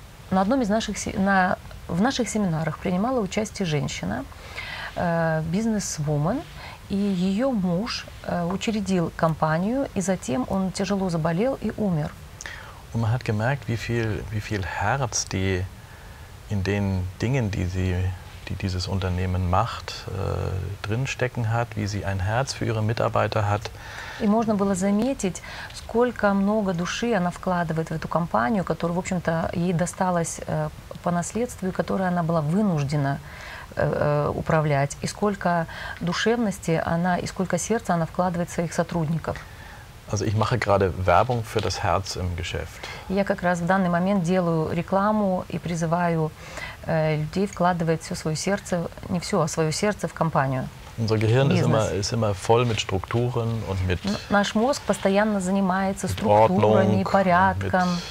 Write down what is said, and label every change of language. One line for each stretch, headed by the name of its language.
Russian: На одном из наших В наших семинарах принимала участие женщина, бизнес-вумен, и ее муж учредил компанию, и затем он тяжело заболел и умер.
German: Und man hat gemerkt, wie viel Herz die in den Dingen, die dieses Unternehmen macht, drinstecken hat, wie sie ein Herz für ihre Mitarbeiter hat.
Russian: И можно было заметить, сколько много души она вкладывает в эту компанию, которая, в общем-то, ей досталась по наследству, и которой она была вынуждена управлять, и сколько душевности она, и сколько сердца она вкладывает в своих сотрудников.
German: Also ich mache gerade Werbung für das Herz im Geschäft.
Russian: Я как раз в данный момент делаю рекламу и призываю людей вкладывать все свое сердце, не все, а свое сердце в компанию.
German: Unser Gehirn ist immer voll mit Strukturen und mit
Russian: Наш мозг постоянно занимается структурами, порядком.